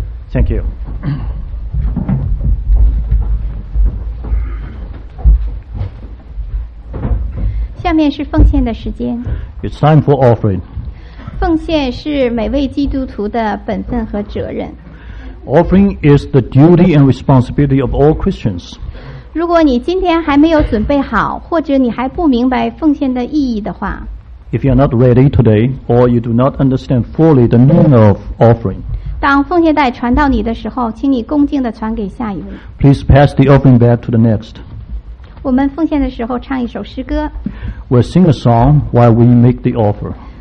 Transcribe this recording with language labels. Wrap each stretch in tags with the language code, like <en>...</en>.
<en>Thank you. It's time for offering.</en> <zh>奉献是每位基督徒的本分和责任。</zh> <en>Offering is the duty and responsibility of all Christians.</en> <zh>如果你今天还没有准备好，或者你还不明白奉献的意义的话，</zh> <en>If you are not ready today, or you do not understand fully the meaning of offering,</en> <zh>当奉献袋传到你的时候，请你恭敬地传给下一位。</zh> <en>Please pass the offering back to the next.</en> <zh>我们奉献的时候唱一首诗歌。</zh> <en>We'll sing a song while we make the offer.</en>